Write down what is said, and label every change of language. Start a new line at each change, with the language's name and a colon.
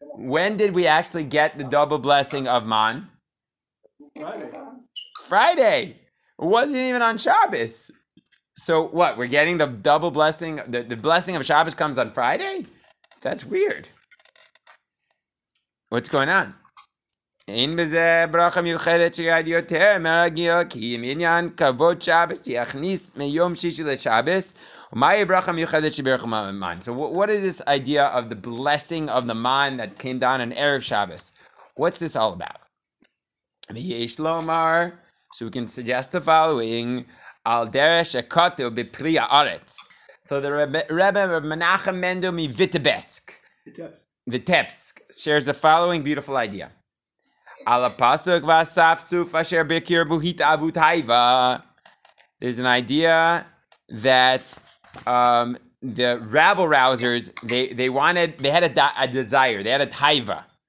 English: When did we actually get the double blessing of man? Friday. It wasn't even on Shabbos. So what, we're getting the double blessing? The blessing of Shabbos comes on Friday? That's weird. What's going on?
Hebrew: אין בזה ברכה מיוחדת שיד יותר מרגיל, כי אם עניין כבוד שבס תיכניס מיום שישי לשבס, ומה יהיה ברכה מיוחדת שברך מהמן?
English: So what is this idea of the blessing of the man that came down on ערב שבס? What's this all about?
Hebrew: ויש לומר,
English: so we can suggest the following,
Hebrew: על דרש הקוטו בפרי הארץ.
English: So the Rebbe of Menachem Mendel Mivitebesk. Vitebsk shares the following beautiful idea. There's an idea that the rabble rousers they had a desire, they had a taiva.